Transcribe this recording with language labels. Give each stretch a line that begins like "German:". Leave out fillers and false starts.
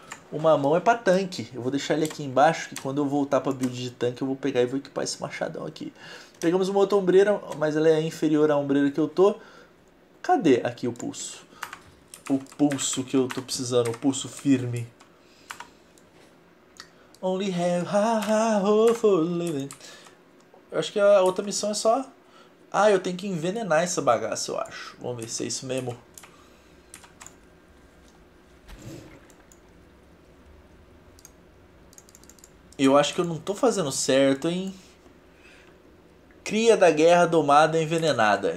Portuguese: Uma mão é pra tanque. Eu vou deixar ele aqui embaixo, que quando eu voltar pra build de tanque, eu vou pegar e vou equipar esse machadão aqui. Pegamos uma outra ombreira, mas ela é inferior à ombreira que eu tô. Cadê aqui o pulso? O pulso que eu tô precisando. O pulso firme.
English: Only have hope for living.
Portuguese: Eu acho que a outra missão é só... Ah, eu tenho que envenenar essa bagaça, eu acho. Vamos ver se é isso mesmo. Eu acho que eu não tô fazendo certo, hein? Cria da guerra domada envenenada.